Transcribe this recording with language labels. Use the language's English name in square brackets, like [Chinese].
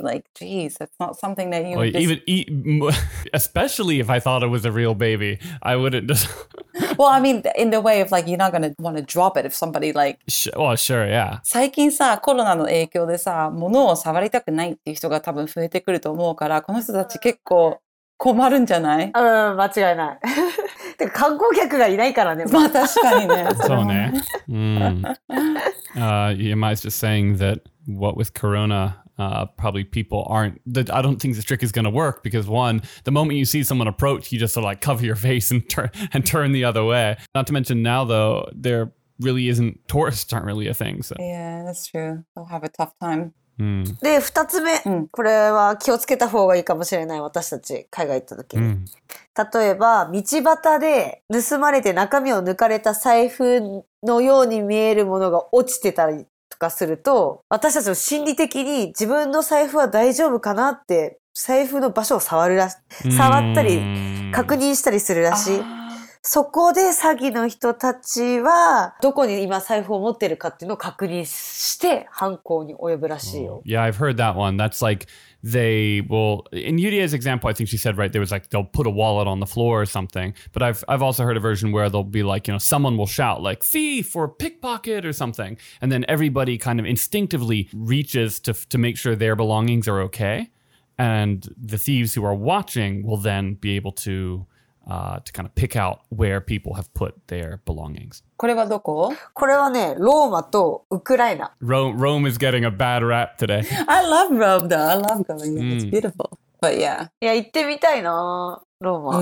[English] Like, geez, that's not something that you would especially if I thought it was a real baby, I wouldn't just... Well, I mean, in the way of like, you're not going to want to drop it if somebody like... Well, sure, yeah. [Japanese] 最近さ、コロナの影響でさ、物を触りたくないっていう人が多分増えてくると思うから、この人たち結構困るんじゃない？うん、間違いない。てか観光客がいないからね。まあ確かにね。そうね。 [English] Yamai's just saying that what with Corona, probably people aren't. I don't think this trick is going to work because one, the moment you see someone approach, you just sort of like cover your face and turn the other way. Not to mention now though, there really isn't tourists aren't really a thing. So yeah, that's true. They'll have a tough time. [Japanese] で、二つ目、これは気をつけた方がいいかもしれない、私たち海外行った時に。例えば、道端で盗まれて中身を抜かれた財布のように見えるものが落ちてたりとかすると、私たちも心理的に自分の財布は大丈夫かなって、財布の場所を触ったり、確認したりするらしい。そこで詐欺の人たちは、どこに今財布を持ってるかっていうのを確認して犯行に及ぶらしいよ。 [English] Yeah, I've heard that one. That's like, they will, in Yurie's example, I think she said, right, there was like, they'll put a wallet on the floor or something. But I've also heard a version where they'll be like, you know, someone will shout like, thief or pickpocket or something. And then everybody kind of instinctively reaches to make sure their belongings are okay. And the thieves who are watching will then be able to kind of pick out where people have put their belongings. [Japanese] これはどこ？これはね、ローマとウクライナ。 [English] Rome is getting a bad rap today. I love Rome though. I love going there. It's beautiful. But yeah. [Japanese] いや、行ってみたいな、ローマ。